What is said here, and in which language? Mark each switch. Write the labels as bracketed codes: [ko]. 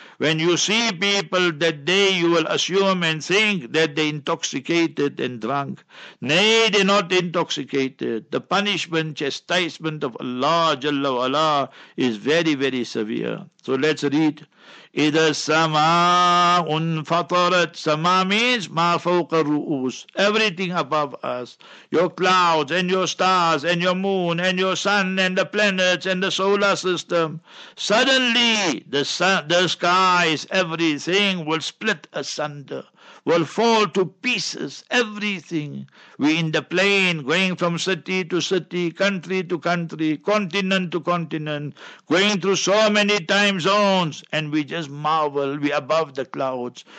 [en] When you see people that day, you will assume and think that they intoxicated and drunk. Nay, they're not intoxicated. The punishment, chastisement of Allah Jalla wa Ala is very, very severe. So let's read. [ar] إِذَا السَّمَاءُ انْفَطَرَتْ. [en] Sama means [ar] مَا فَوْقَ الرُّؤُوسِ. [en] Everything above us. Your clouds and your stars and your moon and your sun and the planets and the solar system. Suddenly the sun, the skies, everything will split asunder. Will fall to pieces, everything. We in the plane, going from city to city, country to country, continent to continent, going through so many time zones, and we just marvel, we above the clouds.